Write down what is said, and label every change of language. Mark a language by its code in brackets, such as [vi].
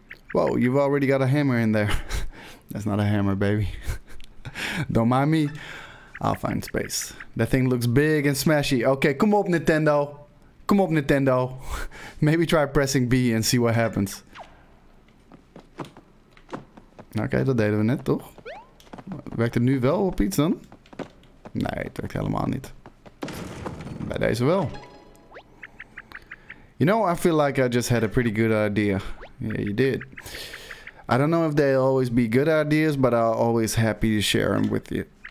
[en] Whoa, you've already got a hammer in there. That's not a hammer, baby. Don't mind me. I'll find space. That thing looks big and smashy. Okay, come up, Nintendo. Come up, Nintendo. Maybe try pressing B and see what happens. [nl] Okay, dat deden we net, toch? Werkt het nu wel op iets dan? Nee, het werkt helemaal niet. Bij deze wel. [en] You know, I feel like I just had a pretty good idea. Yeah, you did. I don't know if they always be good ideas, but I'm always happy to share them with you.